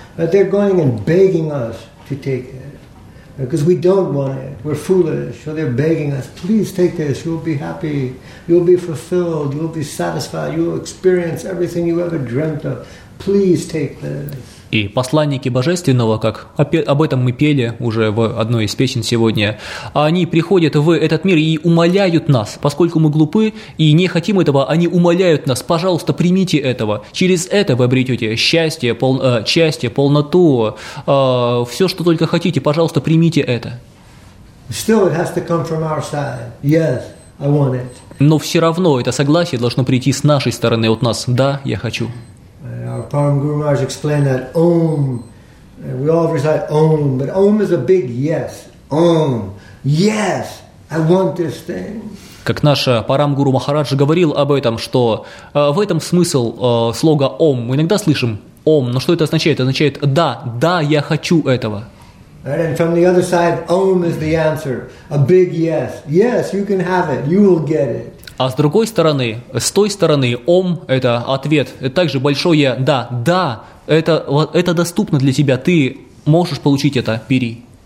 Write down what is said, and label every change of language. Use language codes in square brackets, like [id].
[en] But they're going and begging us to take it. Because we don't want it. We're foolish. So they're begging us, please take this. You'll be happy. You'll be fulfilled. You'll be satisfied. You'll experience everything you ever dreamt of. Please take this. [ru] И посланники Божественного, как об этом мы пели уже в одной из песен сегодня, они приходят в этот мир и умоляют нас, поскольку мы глупы и не хотим этого, они умоляют нас, пожалуйста, примите этого. Через это вы обретете счастье, счастье, полноту, все, что только хотите, пожалуйста, примите это. [en] Still it has to come from our side. Yes, I want it. [ru] Но все равно это согласие должно прийти с нашей стороны, от нас. Да, я хочу. [en] Our Param Guru Maharaj explained that Om. We all recite Om, but Om is a big yes. Om, yes, I want this thing. [ru] Как наш Param Guru Maharaj говорил об этом, что в этом смысл слога Om. Мы иногда слышим Om, но что это означает? Это означает да, да, я хочу этого. [en] Right? And from the other side, Om is the answer. A big yes. Yes, you can have it. You will get it. [ru] А с другой стороны, с той стороны, Ом – это ответ, это также большое «да», «да», это доступно для тебя, ты можешь получить это, бери.